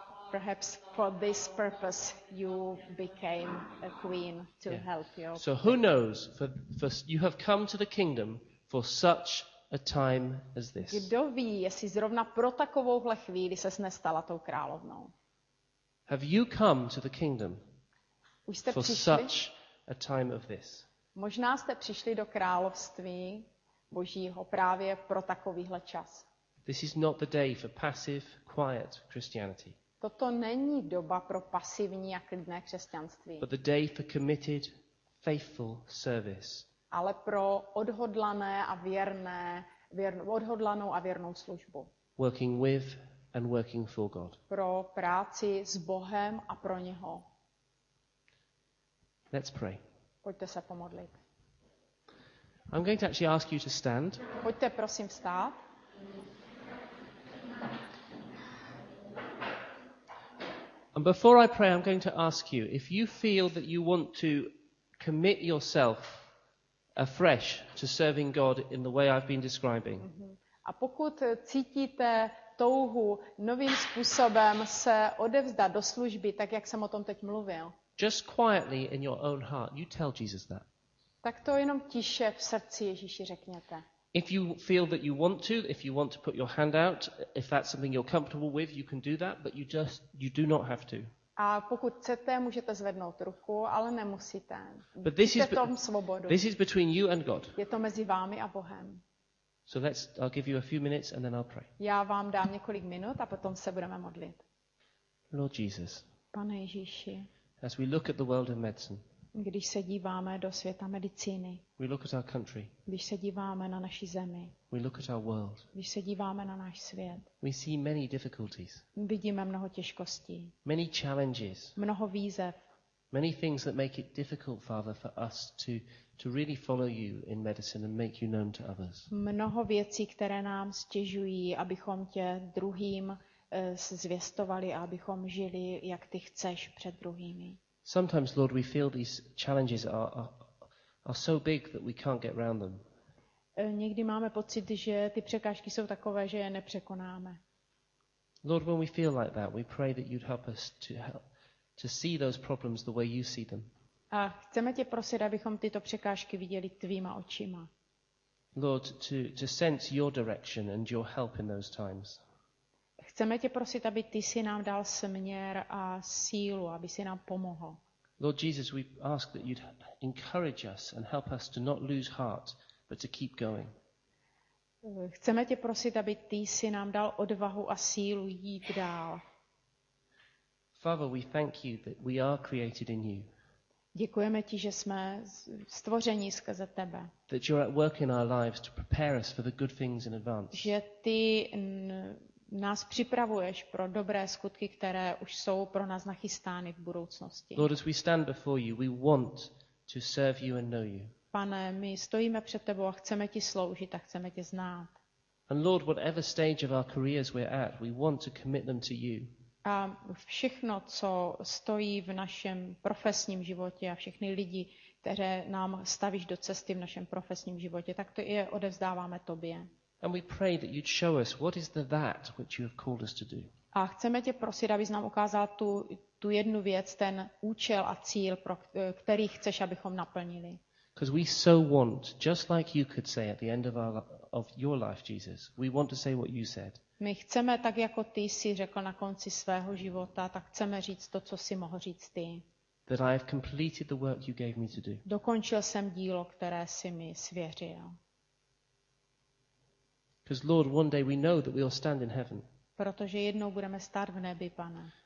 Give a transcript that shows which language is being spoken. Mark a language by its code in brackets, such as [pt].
[en] Perhaps for this purpose you became a queen to help you. So who knows? For you have come to the kingdom for such a time as this. [cs] Kdo ví, jestli zrovna pro takovouhle chvíli ses nestala tou královnou? [en] Have you come to the kingdom? [cs] Už jste [en] for [cs] přišli? [en] Such a time of this. [cs] Možná jste přišli do království Božího právě pro takovýhle čas. [en] This is not the day for passive, quiet Christianity. [cs] Toto není doba pro pasivní a klidné křesťanství. [en] But the day for committed, faithful service. [cs] Ale pro odhodlané a věrné odhodlanou a věrnou službu. [en] Working with and working for God. [cs] Pro práci s Bohem a pro něho. [en] Let's pray. [cs] Pojďte se pomodlit. [en] I'm going to actually ask you to stand. [cs] Pojďte prosím vstát. [en] And before I pray, I'm going to ask you if you feel that you want to commit yourself afresh to serving God in the way I've been describing. [cs] A pokud cítíte touhu novým způsobem se odevzdat do služby, tak jak jsem o tom teď mluvil. [en] Just quietly in your own heart, you tell Jesus that. [cs] Tak to jenom tiše v srdci Ježíši řekněte. [en] If you feel that you want to, if you want to put your hand out, if that's something you're comfortable with, you can do that, but you do not have to. [cs] A pokud chcete, můžete zvednout ruku, ale nemusíte. [en] But this [cs] Jíte [en] is [cs] tom svobodu. [en] This is between you and God. [cs] Je to mezi vámi a Bohem. [en] So let's I'll give you a few minutes and then I'll pray. [cs] Já vám dám několik minut a potom se budeme modlit. [en] Lord Jesus. [cs] Pane Ježíši. [en] As we look at the world of medicine. [cs] Když se díváme do světa medicíny. [en] We look at our country. [cs] Když se díváme na naši zemi. [en] We look at our world. [cs] Když se díváme na náš svět. [en] We see many difficulties. [cs] Vidíme mnoho těžkostí. [en] Many challenges. [cs] Mnoho výzev. [en] Many things that make it difficult, Father, for us to really follow you in medicine and make you known to others. [cs] Mnoho věcí, které nám stěžují, abychom tě druhým zvěstovali a abychom žili, jak ty chceš před druhými. [en] Sometimes, Lord, we feel these challenges are so big that we can't get around them. [cs] Někdy máme pocit, že ty překážky jsou takové, že je nepřekonáme. [en] Lord, when we feel like that, we pray that you'd help us to see those problems the way you see them. [cs] A chceme tě prosit, abychom tyto překážky viděli tvýma očima. [en] Lord, to sense your direction and your help in those times. [cs] Chceme tě prosit, aby ty si nám dal směr a sílu, aby si nám pomohl. [en] Lord Jesus, we ask that you'd encourage us and help us to not lose heart, but to keep going. [cs] Chceme tě prosit, aby ty si nám dal odvahu a sílu jít dál. [en] Father, we thank you that we are created in you. [cs] Děkujeme ti, že jsme stvoření skrze tebe. [en] That you're at work in our lives to prepare us for the good things in advance. [cs] Že ty nás připravuješ pro dobré skutky, které už jsou pro nás nachystány v budoucnosti. [en] Lord, as we stand before you, we want to serve you and know you. [cs] Pane, my stojíme před tebou a chceme ti sloužit a chceme tě znát. [en] And Lord, whatever stage of our careers we're at, we want to commit them to you. [cs] A všechno, co stojí v našem profesním životě a všechny lidi, které nám stavíš do cesty v našem profesním životě, tak to je odevzdáváme tobě. [en] And we pray that you'd show us what is that which you have called us to do. [cs] A chceme tě prosit, abys nám ukázal tu jednu věc, ten účel a cíl, pro který chceš, abychom naplnili. [en] Because we so want, just like you could say at the end of your life, Jesus, we want to say what you said. [cs] My chceme tak jako ty jsi řekl na konci svého života, tak chceme říct to, co jsi mohl říct ty. [en] That I have completed the work you gave me to do. [cs] Dokončil jsem dílo, které jsi mi svěřil. [en] Because Lord, one day we know that we will stand in heaven. [cs] Protože jednou budeme stát v nebi, Pane.